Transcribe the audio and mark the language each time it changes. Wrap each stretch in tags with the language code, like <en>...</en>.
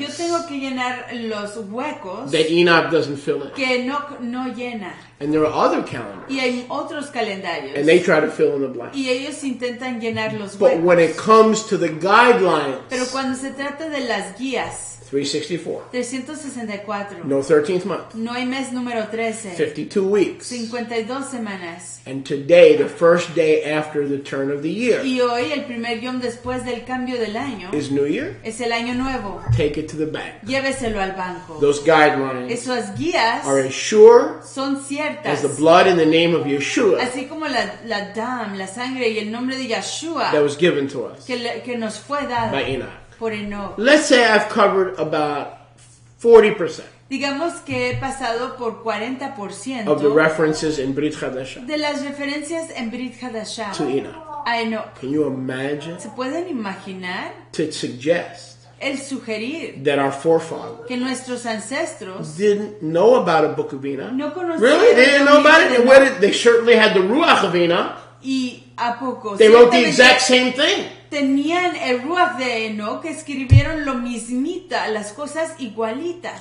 <es>Yo tengo que llenar los huecos.</es> <en>That Enoch doesn't fill in.</en> <es>Que Enoch no llena.</es> <en>And there are other calendars.</en> <es>Y hay otros calendarios.</es> <en>And they try to fill in the blanks.</en> <es>Y ellos intentan llenar los huecos.</es> <en>But when it comes to the guidelines.</en> <es>Pero cuando se trata de las guías.</es> <en>364. 364. No 13th month.</en> <es>No hay mes número 13.</es> <en>52 weeks.</en> <es>52 semanas.</es> <en>And today, the first day after the turn of the year.</en> <es>Y hoy, el primer día después del cambio del año.</es> <en>Is New Year.</en> <es>Es el año nuevo.</es> <en>Take it to the bank.</en> <es>Lléveselo al banco.</es> <en>Those guidelines.</en> <es>Esas guías.</es> <en>Are as sure.</en> <es>Son ciertas.</es> <en>As the blood in the name of Yeshua.</en> <es>Así como la dam, la sangre y el nombre de Yeshua.</es> <en>That was given to us.</en> <es>Que nos fue dado.</es> <en>By Enoch.</en> <es>Por Enoch.</es> <en>Let's say I've covered about 40%.</en> <es>Digamos que he pasado por 40%</es> <en>of the references in Brit Hadashah.</en> <es>De las referencias en Brit Hadashah.</es> <en>To Enoch. I know. Can you imagine?</en> <es>¿Se pueden imaginar?</es> <en>To suggest.</en> <es>El sugerir.</es> <en>That our forefathers.</en> <es>Que nuestros ancestros.</es> <en>Didn't know about a book of Enoch.</en> <es>No conocían.</es> <en>Really? They didn't know about it? They certainly had the Ruach of Enoch.</en> <es>Y a poco.</es> <en>They wrote the exact same thing.</en> <es>Tenían el Ruach de Enoch, escribieron lo mismita, las cosas igualitas.</es>